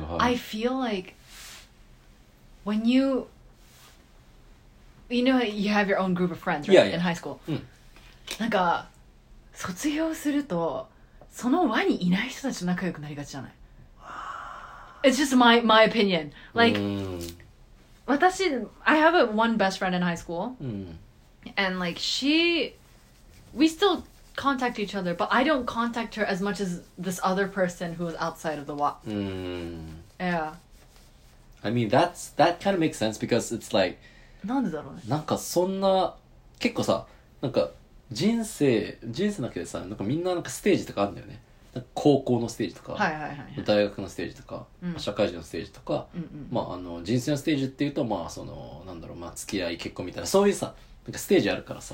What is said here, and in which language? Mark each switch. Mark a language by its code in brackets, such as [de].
[ja] はい、 [en] I feel like when you you know you have your own group of friends, right? Yeah, yeah. In high school、 [ja] うん、なんか卒業するとその輪にいない人たちと仲良くなりがちじゃない。 [en] It's just my opinion. Like、 [ja] うん、私 [en] I have one best friend in high school、 [ja] うん、 [en] and like she we stillcontact each other, but I don't contact her as much as this other person who was outside of the walk. Yeah. I mean, that kind of makes sense because it's like, [ja] なんでだろうね。なんかそんな、結構さ、なんか人生だけでさ、なんかみんななんかステージとかあるんだよね。なんか高校のステージとか、はいはいはいはい、大学のステージとか、うん、社会人のステージとか、うんうん、まああの人生のステージっていうと、まあそのなんだろう、まあ付き合い結婚みたいな、そういうさ、なんかステージあるからさ。